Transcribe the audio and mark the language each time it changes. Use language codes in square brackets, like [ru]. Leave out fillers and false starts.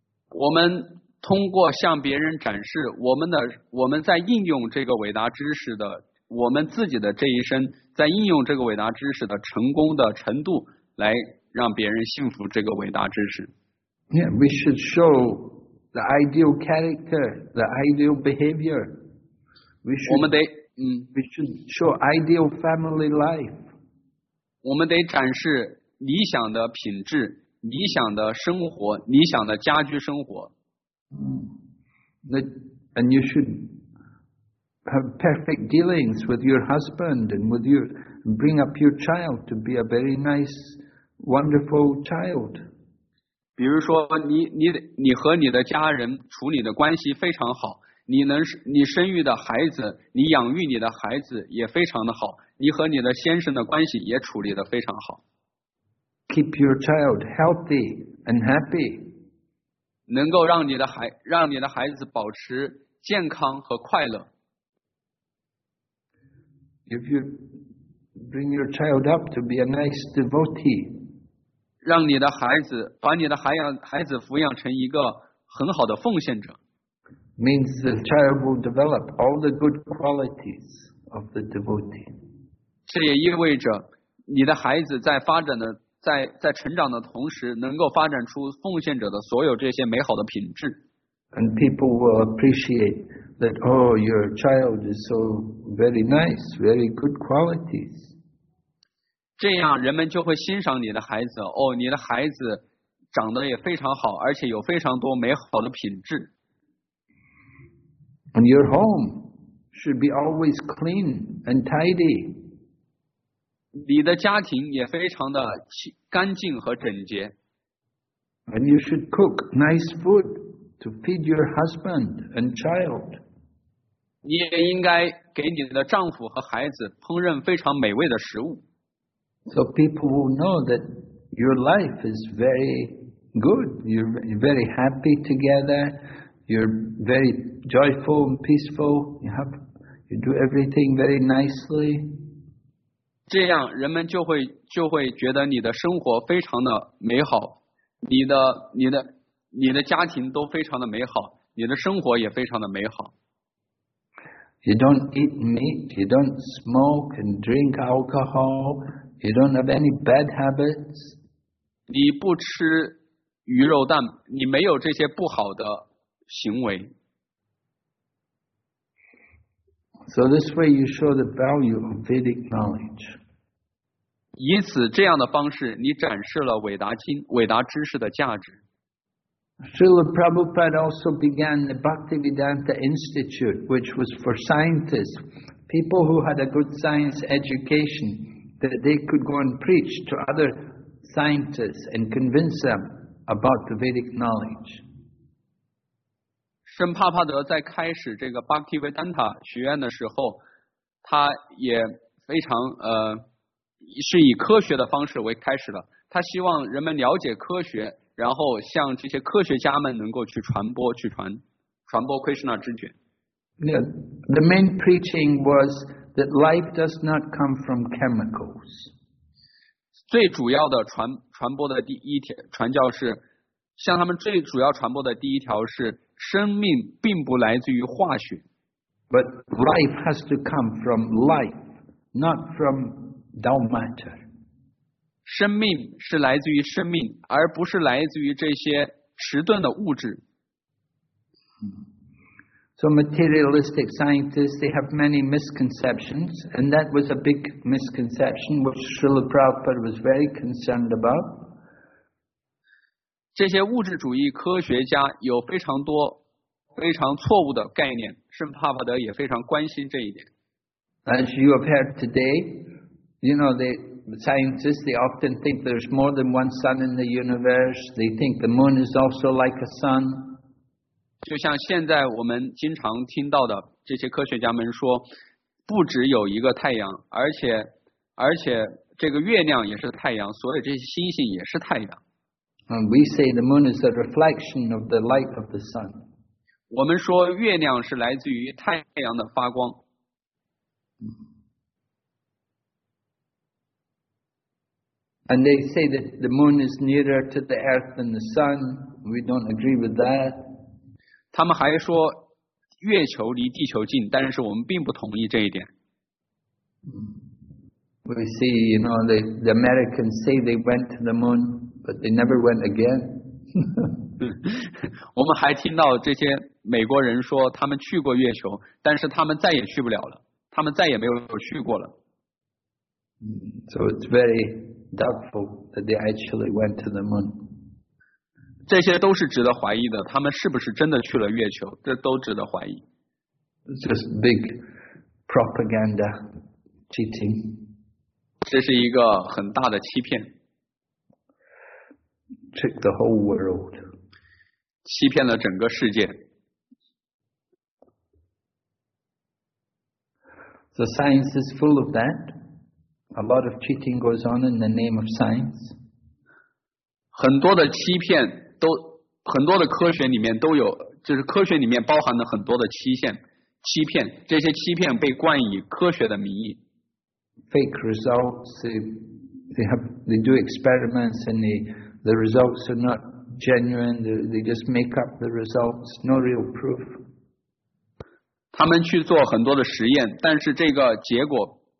[zh] 我们通过向别人展示我们在应用这个伟大知识的我们自己的这一生在应用这个伟大知识的成功的程度来让别人信服这个伟大知识。 [en] Yeah, we should show the ideal character, the ideal behavior. We should show ideal family life. [zh] 我们得展示理想的品质理想的生活理想的家居生活。 [en] And you should have perfect dealings with your husband and with your bring up your child to be a very nice, wonderful child. [zh] 比如说你和你的家人处理的关系非常好，你生育的孩子，你养育你的孩子也非常的好，你和你的先生的关系也处理的非常好。 [en] Keep your child healthy and happy. [zh] 能够让你的孩子保持健康和快乐。 [en] If you bring your child up to be a nice devotee, [zh] 让你的孩子把你的孩子抚养成一个很好的奉献者。 [en] Means the child will develop all the good qualities of the devotee. [zh] 这也意味着你的孩子在发展的在成长的同时能够发展出奉献者的所有这些美好的品质。 [en] And people will appreciate that, oh, your child is so very nice, very good qualities. [zh] 这样人们就会欣赏你的孩子，哦，你的孩子长得也非常好，而且有非常多美好的品质。 [en] And your home should be always clean and tidy. [zh] 你的家庭也非常的干净和整洁。 [en] And you should cook nice food to feed your husband and child. [zh] 你也应该给你的丈夫和孩子烹饪非常美味的食物。 [en] So people will know that your life is very good. You're very happy together. You're very joyful and peaceful. You do everything very nicely. [zh] 这样人们就会觉得你的生活非常的美好，你的家庭都非常的美好，你的生活也非常的美好。 [en] You don't eat meat, you don't smoke and drink alcohol, you don't have any bad habits. [zh] 你不吃鱼肉蛋，你没有这些不好的行为。 [en] So this way you show the value of Vedic knowledge. [zh] 以此这样的方式你展示了伟达知识的价值。 [en] Srila Prabhupada also began the Bhaktivedanta Institute, which was for scientists, people who had a good science education, that they could go and preach to other scientists and convince them about the Vedic knowledge. [zh] 圣帕帕德在开始这个 Bhaktivedanta 学院的时候，他也非常是以科学的方式为开始的。他希望人们了解科学，然后向这些科学家们能够去传播，去传播 Krishna 知觉。 [en] The main preaching was that life does not come from chemicals. [zh] 最主要的传播的第一条传教是，向他们最主要传播的第一条是，生命并不来自于化学。 [en] But life has to come from life, not from dull matter. [zh] 生命是来自于生命，而不是来自于这些迟钝的物质。 [en] So materialistic scientists, they have many misconceptions, and that was a big misconception which Srila Prabhupada was very concerned about. [zh] 这些物质主义科学家有非常多非常错误的概念，圣帕帕德也非常关心这一点。 [en] As you have heard today, you know, the scientists, they often think there's more than one sun in the universe. They think the moon is also like a sun. [zh] 就像现在我们经常听到的这些科学家们说，不只有一个太阳，而且这个月亮也是太阳，所有这些星星也是太阳。 [en] And we say the moon is a reflection of the light of the sun. [zh] 我们说月亮是来自于太阳的发光。 [en] And they say that the moon is nearer to the earth than the sun. We don't agree with that. [zh] 他们还说月球离地球近，但是我们并不同意这一点。 [en] We see, you know, the Americans say they went to the moon, but they never went again. [zh] 我们还听到这些美国人说他们去过月球，但是他们再也去不了了，他们再也没有去过了。 [en] So it's very doubtful that they actually went to the moon. [zh] 这些都是值得怀疑的，他们是不是真的去了月球，这都值得怀疑。 [en] It's just big propaganda cheating. [zh] 这是一个很大的欺骗。 [en] Trick the whole world. [zh] 欺骗了整个世界。 [en] So science is full of that. A lot of cheating goes on in the name of science. [zh] 很多的欺骗都很多的科学里面都有，就是科学里面包含了很多的欺骗，这些欺骗被冠以科学的名义。 [en] Fake results, they do experiments and the results are not genuine. They just make up the results, no real proof. [zh] 他们去做很多的实验，但是这个结果。